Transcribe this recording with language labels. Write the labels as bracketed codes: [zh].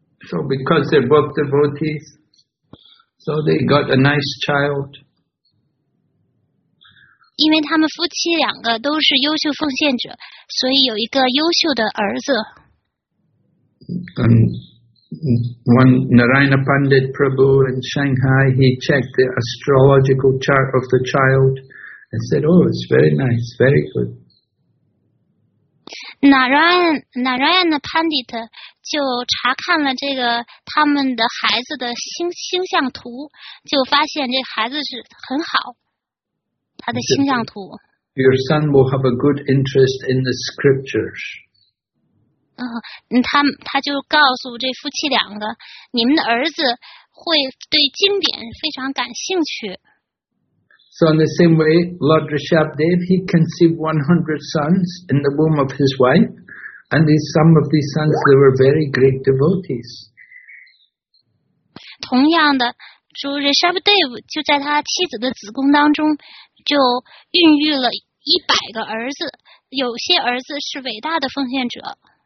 [en] So because they're both devotees, so they got a nice child. [zh] 因为他们夫妻两个都是优秀奉献者，所以有一个优秀的儿子。 [en] And one Narayana Pandit Prabhu in Shanghai, he checked the astrological chart of the child and said, oh, it's very nice, very good. [zh] Narayana Pandit 就查看了这个他们的孩子的星象图，就发现这孩子是很好，他的星象图。 [en] Your son will have a good interest in the scriptures. [zh] 他就告诉这夫妻两个，你们的儿子会对经典非常感兴趣。 [en] So in the same way, Lord Rishabhdev, he conceived 100 sons in the womb of his wife, and some of these sons, they were very great devotees. [zh] 同样的，主 Rishabhdev 就在他妻子的子宫当中就孕育了100个儿子，有些儿子是伟大的奉献者。